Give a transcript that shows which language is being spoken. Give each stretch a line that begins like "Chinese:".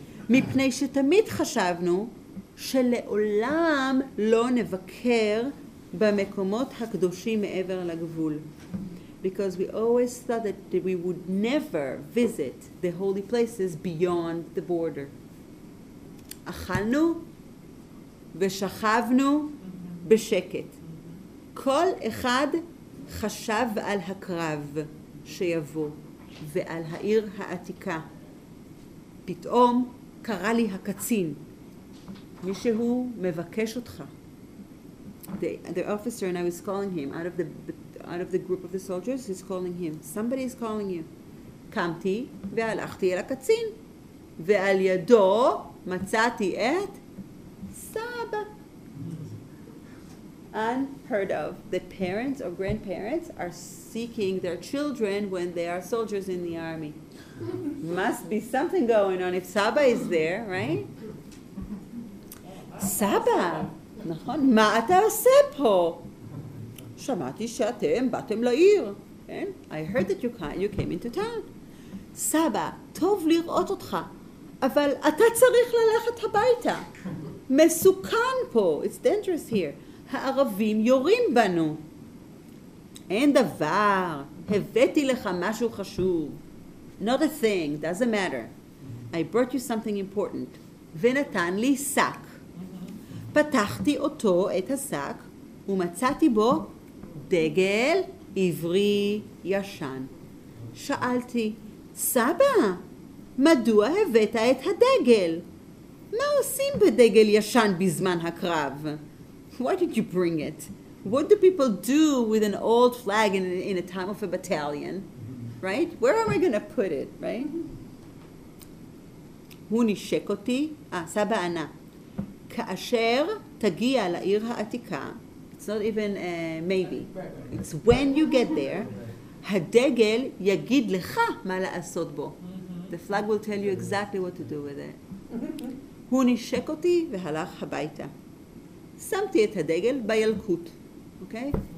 Hebrew: מפני שתמיד חשבנו שלעולם לא נבקר במקומות הקדושים מעבר לגבול.
English: Because we always thought that we would never visit the holy places beyond the border.
Hebrew: אכלנו ושכבנו בשקט. כל אחד חשב על הקרב שיבוא ועל העיר העתיקה. פתאום קרא לי הקצין, מישהו מבקש אותך.
English: The officer, and I was calling him out of the group of the soldiers, he's calling him, somebody is calling you.
Hebrew: קמתי והלכתי אל הקצין, ועל ידו מצאתי את סבא.
English: Unheard of that parents or grandparents are seeking their children when they are soldiers in the army. Must be something going on if Saba is there, right?
Hebrew: Saba, נכון? מה אתה עושה פה? שמעתי שאתם באתם לעיר.
English: I heard that you came into town.
Hebrew: Saba, טוב לראות אותך, אבל אתה צריך ללכת הביתה. מסוכן פה.
English: It's dangerous here.
Hebrew: הערבים יורים בנו. אין דבר. הבאתי לך משהו חשוב.
English: Not a thing, doesn't matter. I brought you something important.
Hebrew: ונתן לי שק. פתחתי אותו, את השק, ומצאתי בו דגל עברי ישן. שאלתי, סבא, מדוע הבאת את הדגל? מה עושים בדגל ישן בזמן הקרב?
English: Why did you bring it? What do people do with an old flag in a time of a battalion? Right? Where are we going to put it, right?
Hebrew: הוא נשק אותי, סבא ענה, כאשר תגיע לעיר העתיקה,
English: it's not even maybe, it's when you get there,
Hebrew: הדגל יגיד לך מה לעשות בו.
English: The flag will tell you exactly what to do with it.
Hebrew: הוא נשק אותי והלך הביתה. שמתי את הדגל בילקוט, okay?